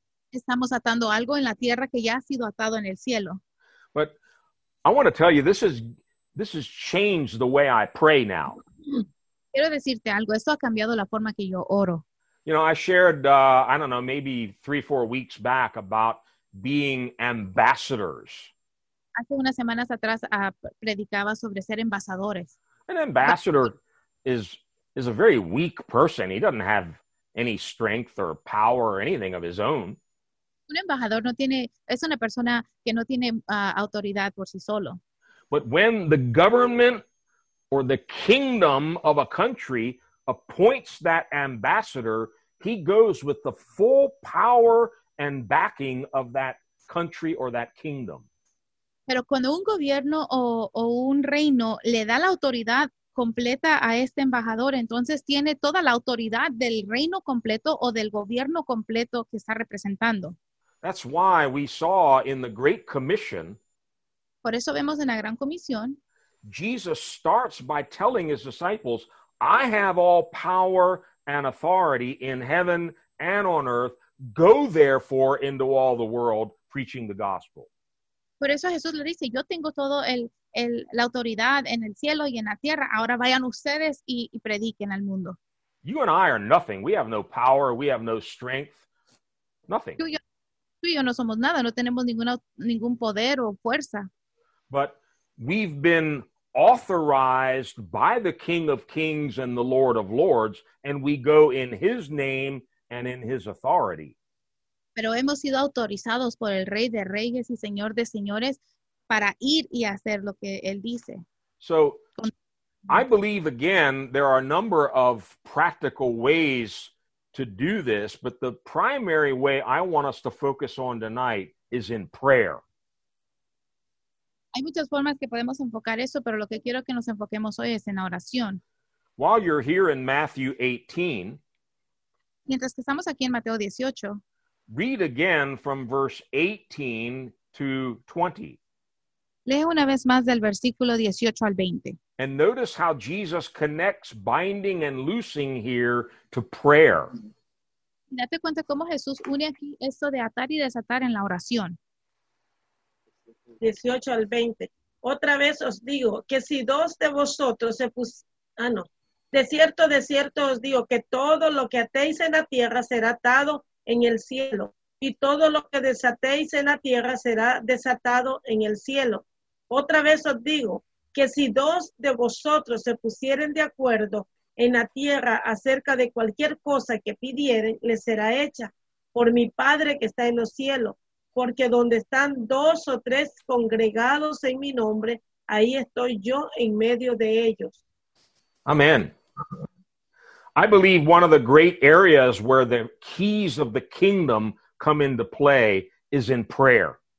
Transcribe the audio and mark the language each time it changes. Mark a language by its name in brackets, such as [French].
[Spanish] Estamos atando algo en la tierra que ya ha sido atado en el cielo. [English] But I want to tell you, this has changed the way I pray now. [Spanish] Quiero decirte algo. Esto ha cambiado la forma que yo oro. [English] You know, I shared, I don't know, maybe 3-4 weeks back about being ambassadors. [Spanish] Hace unas semanas atrás predicaba sobre ser embajadores. [English] An ambassador is a very weak person. He doesn't have any strength or power or anything of his own. [Spanish] Un embajador no tiene, es una persona que no tiene autoridad por sí solo. [English] But when the government or the kingdom of a country appoints that ambassador, he goes with the full power and backing of that country or that kingdom. [Spanish] Pero cuando un gobierno o un reino le da la autoridad completa a este embajador, entonces tiene toda la autoridad del reino completo o del gobierno completo que está representando. [English] That's why we saw in the Great Commission. [Spanish] Por eso vemos en la Gran Comisión. [English] Jesus starts by telling his disciples, I have all power and authority in heaven and on earth. Go therefore into all the world preaching the gospel. [Spanish] Por eso Jesús le dice, yo tengo todo la autoridad en el cielo y en la tierra. Ahora vayan ustedes y prediquen al mundo. [English] You and I are nothing. We have no power. We have no strength. Nothing. [Spanish] Tú y yo no somos nada. No tenemos ningún poder o fuerza. [English] But we've been authorized by the King of Kings and the Lord of Lords, and we go in His name and in His authority. [Spanish] Pero hemos sido autorizados por el Rey de Reyes y Señor de Señores para ir y hacer lo que Él dice. [English] So, I believe, again, there are a number of practical ways to do this, but the primary way I want us to focus on tonight is in prayer. [Spanish] Hay muchas formas que podemos enfocar eso, pero lo que quiero que nos enfoquemos hoy es en la oración. [English] While you're here in Matthew 18, [Spanish] mientras que estamos aquí en Mateo 18, [English] read again from verse 18 to 20. [Spanish] Lee una vez más del versículo 18 al 20. [English] And notice how Jesus connects binding and loosing here to prayer. [Spanish] Date cuenta cómo Jesús une aquí esto de atar y desatar en la oración. 18 al 20. Otra vez os digo que si dos de vosotros se pusieran. De cierto os digo que todo lo que atéis en la tierra será atado en el cielo, y todo lo que desatéis en la tierra será desatado en el cielo. Otra vez os digo que si dos de vosotros se pusieren de acuerdo en la tierra acerca de cualquier cosa que pidieren, les será hecha por mi Padre que está en los cielos. Porque donde están dos o tres congregados en mi nombre, ahí estoy yo en medio de ellos. Amen. [English] I believe one of the great areas where the keys of the kingdom come into play is in prayer.